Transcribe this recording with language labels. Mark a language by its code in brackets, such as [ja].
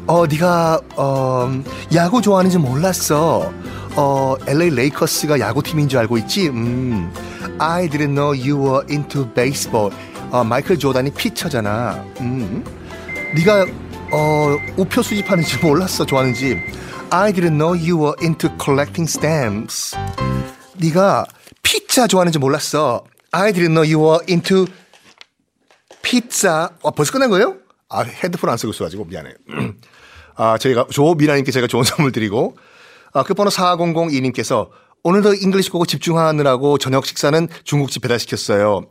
[ko] 네가 야구 좋아하는지 몰랐어. LA 레이커스가 야구팀인 줄 알고 있지? [en] I didn't know you were into baseball. [ko] 마이클 조던이 피처잖아. 네가 우표 수집하는지 몰랐어, 좋아하는지. [en] I didn't know you were into collecting stamps. [ko] 네가 피자 좋아하는지 몰랐어. [en] I didn't know you were into 피자. 벌써 끝난 거예요? [ko] 헤드폰 안 쓰고 있어가지고 미안해. 저희가 조미라님께 제가 좋은 선물 드리고 그 번호 4002님께서 오늘도 잉글리시 보고 집중하느라고 저녁 식사는 중국집 배달시켰어요.